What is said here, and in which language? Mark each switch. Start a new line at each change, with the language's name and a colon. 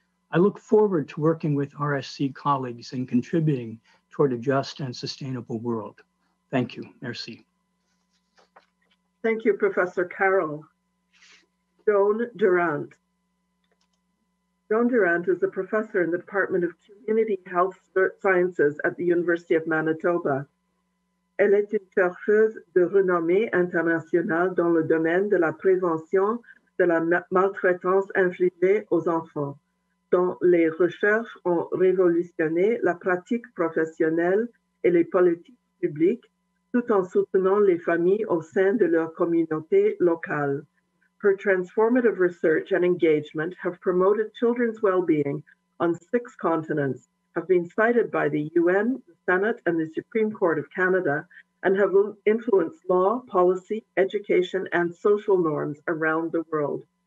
English: I look forward to working with RSC colleagues and contributing toward a just and sustainable world. Thank you.
French: Merci.
English: Thank you, Professor Carroll. Joan Durant. Joan Durant is a professor in the Department of Community Health Sciences at the University of Manitoba.
French: Elle est une chercheuse de renommée internationale dans le domaine de la prévention de la maltraitance infligée aux enfants, dont les recherches ont révolutionné la pratique professionnelle et les politiques publiques, tout en soutenant les familles au sein de leur communauté locale.
English: Her transformative research and engagement have promoted children's well-being on six continents, have been cited by the UN, the Senate, and the Supreme Court of Canada, and have influenced law, policy, education, and social norms around the world.